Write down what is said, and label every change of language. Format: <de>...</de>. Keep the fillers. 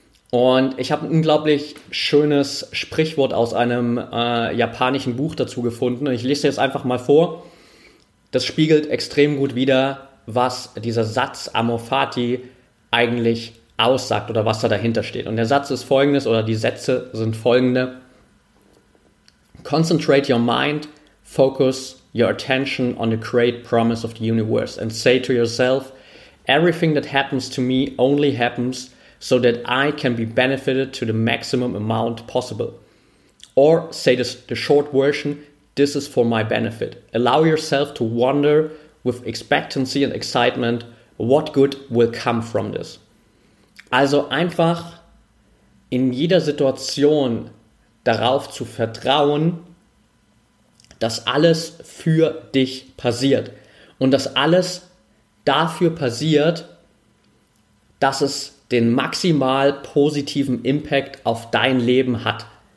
<de>Und ich habe ein unglaublich schönes Sprichwort aus einem äh, japanischen Buch dazu gefunden. Und ich lese jetzt einfach mal vor. Das spiegelt extrem gut wider, was dieser Satz Amorfati eigentlich aussagt oder was da dahinter steht. Und der Satz ist folgendes oder die Sätze sind folgende.</de> <en>Concentrate your mind, focus your attention on the great promise of the universe and say to yourself, everything that happens to me only happens so that I can be benefited to the maximum amount possible. Or say this, the short version, this is for my benefit. Allow yourself to wonder with expectancy and excitement what good will come from this.</en> <de>Also einfach in jeder Situation darauf zu vertrauen, dass alles für dich passiert und dass alles dafür passiert, dass es den maximal positiven Impact auf dein Leben hat.</de>